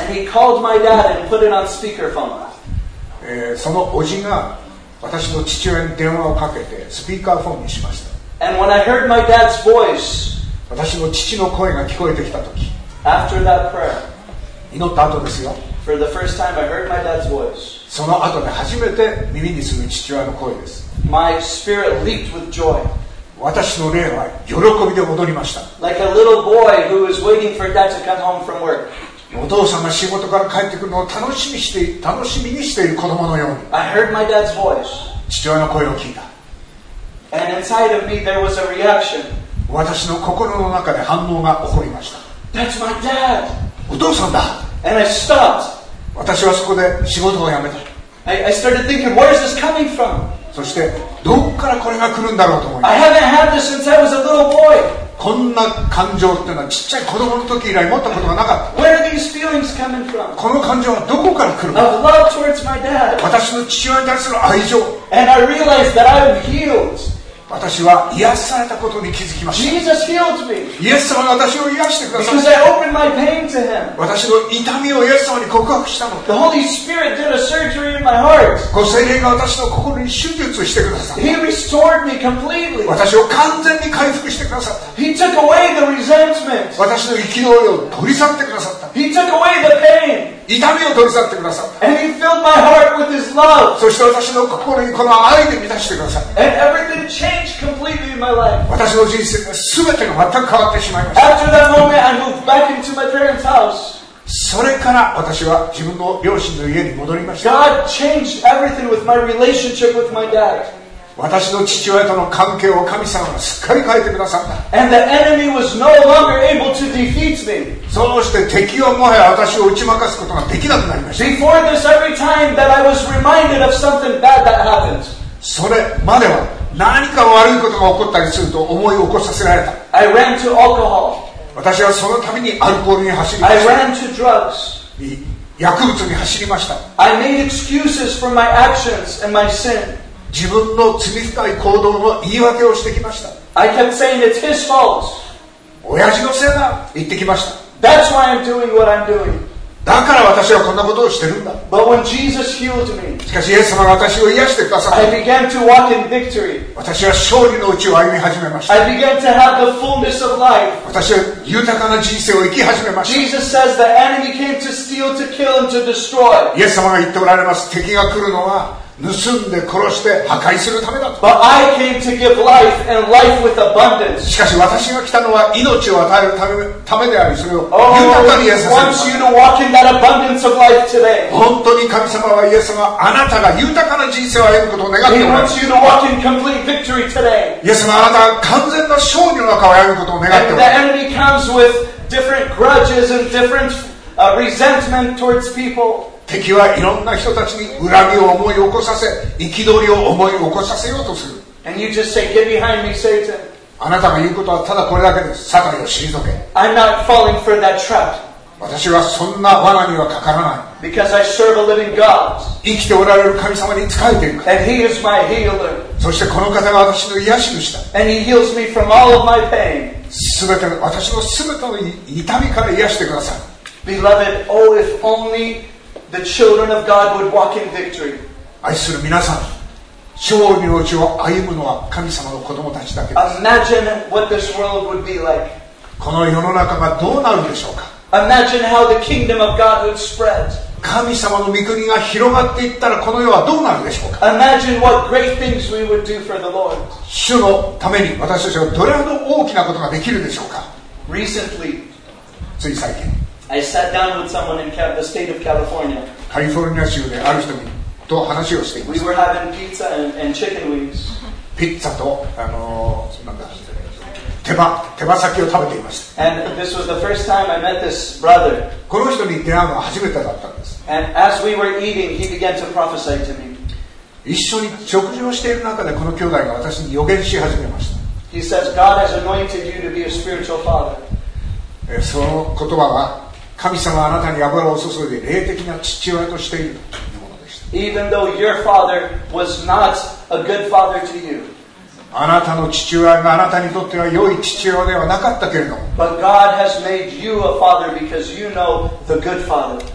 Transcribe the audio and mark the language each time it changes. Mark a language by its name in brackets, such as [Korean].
[English] And he called my dad and put it on speakerphone. [Japanese] そのおじが私の父親に電話をかけてスピーカーフォンにしました。 [English] And when I heard my dad's voice. [Japanese] 私の父の声が聞こえてきたとき、 [English] After that prayer, [Japanese] 祈った後ですよ。 [English] For the first time I heard my dad's voice. [Japanese] その後で初めて耳にする父親の声です。 [English] My spirit leaped with joy. [Japanese] 私の霊は喜びで踊りました。 [English] Like a little boy who is waiting for dad to come home from work. [Japanese] お父さんが仕事から帰ってくるのを楽しみにしている子供のように。 [English] I heard my dad's voice. [Japanese] 父親の声を聞いた。 [English] And inside of me there was a reaction. [Japanese] 私の心の中で反応が起こりました。 [English] That's my dad. [Japanese] お父さんだ。 [English] And I stopped. [Japanese] 私はそこで仕事を辞めた。 [English] I started thinking, where is this coming from? [Japanese] そして、どこからこれが来るんだろうと思います [English] 。I haven't had this since I was a little boy. [Japanese] こんな感情っていうのはちっちゃい子供の時以来持ったことがなかった。 [English] Where are these feelings coming from? [Japanese] この感情はどこから来るの? [English] Of love towards my dad. [Japanese] 私の父親に対する愛情。 [English] And I realized that I'm healed. [Japanese] 私は癒されたことに気づきました。 [English] Jesus healed me. [Japanese] イエス様が私を癒してくださった。 [English] Because I opened my pain to him. [Japanese] 私の痛みをイエス様に告白したの。 [English] The Holy Spirit did a surgery in my heart. [Japanese] ご聖霊が私の心に手術をしてくださった。 [English] He restored me completely. [Japanese] 私を完全に回復してくださった。 [English] He took away the resentment. [Japanese] 私の憤りを取り去ってくださった。 [English] He took away the pain. [Japanese] 痛みを取り去ってくださった。 [English] And he filled my heart with his love. [Japanese] そして私の心にこの愛で満たしてくださった。 [English] And everything changed completely in my life. [Japanese] 私の人生すべてが全く変わってしまいました。 [English] After that moment, I moved back into my parents' house. [Japanese] それから私は自分の両親の家に戻りました。 [English] God changed everything with my relationship with my dad. [Japanese] 私の父親との関係を神様がすっかり変えてくださった。 [English] And the enemy was no longer able to defeat me. [Japanese] そうして敵はもはや私を打ち負かすことができなくなりました。 [English] Before this, every time that I was reminded of something bad that happened. [Japanese] それまでは何か悪いことが起こったりすると思い起こさせられた。 [English] I ran to alcohol. [Japanese] 私はそのためにアルコールに走りました。 [English] I ran to drugs. [Japanese] 薬物に走りました。 [English] I made excuses for my actions and my sin. [Japanese] 自分の罪深い行動の言い訳をしてきました。 [English] I kept saying it's his fault. [Japanese] 親父のせいだ言ってきました。 [English] That's why I'm doing what I'm doing. [Japanese] だから私はこんなことをしてるんだ。 [English] But when Jesus healed me, [Japanese] しかしイエス様が私を癒してくださった。 [English] I began to walk in victory. [Japanese] 私は勝利のうちを歩み始めました。 [English] I began to have the fullness of life. [Japanese] 私は豊かな人生を生き始めました。 [English] Jesus says the enemy came to steal, to kill, and to destroy. [Japanese] イエス様が言っておられます。敵が来るのは盗んで殺して破壊するためだと。 [English] But I came to give life and life with abundance. [Japanese] しかし私が来たのは命を与えるためであり、それを豊かにさせる。 [English] Oh, he wants you to walk in that abundance of life today. [Japanese] 本当に神様はイエス様、あなたが豊かな人生を歩むことを願っております。 [English] He wants you to walk in complete victory today. [Japanese] イエス様、あなたが完全な勝利の中を歩むことを願っております。 [English] And the enemy comes with different grudges and different resentment towards people. [Japanese] 敵はいろんな人たちに恨みを思い起こさせ、憤りを思い起こさせようとする。 [English] And you just say, "Get behind me, Satan." [Japanese] あなたが言うことはただこれだけです。サタンを退け。 [English] I'm not falling for that trap. [Japanese] 私はそんな罠にはかからない。 [English] Because I serve a living God. [Japanese] 生きておられる神様に仕えていく。 [English] And he is my healer. [Japanese] そしてこの方が私の癒し主だ。 [English] And he heals me from all of my pain. [Japanese] 全ての、私の全ての痛みから癒してください。 [English] Beloved, oh, if only... The children of God would walk in victory. [Japanese] 愛する皆さん、勝利のうちを歩むのは神様の子供たちだけです。 [English] Imagine what this world would be like. [Japanese] この世の中がどうなるでしょうか。 [English] Imagine how the kingdom of God would spread. [Japanese] 神様の御国が広がっていったらこの世はどうなるでしょうか。 [English] Imagine what great things we would do for the Lord. [Japanese] 主のために私たちはどれほど大きなことができるでしょうか。 [English] Recently, [Japanese] つい最近、 [English] I sat down with someone in the state of California. [Japanese] カリフォルニア州である人と話をしていました。 [English] We were having pizza and chicken wings. [Japanese] ピッツァと、なんだ、手羽先を食べていました。 [English] And this was the first time I met this brother. [Japanese] この人に出会うのは初めてだったんです。 [English] And as we were eating, he began to prophesy to me. [Japanese] 一緒に食事をしている中でこの兄弟が私に予言し始めました。 [English] He says, God has anointed you to be a spiritual father. [Japanese] その言葉は、神様はあなたに油を注いで霊的な父親としているというものでした。 [English] Even though your father was not a good father to you. [Japanese] あなたの父親があなたにとっては良い父親ではなかったけれど、 [English] But God has made you a father because you know the good father.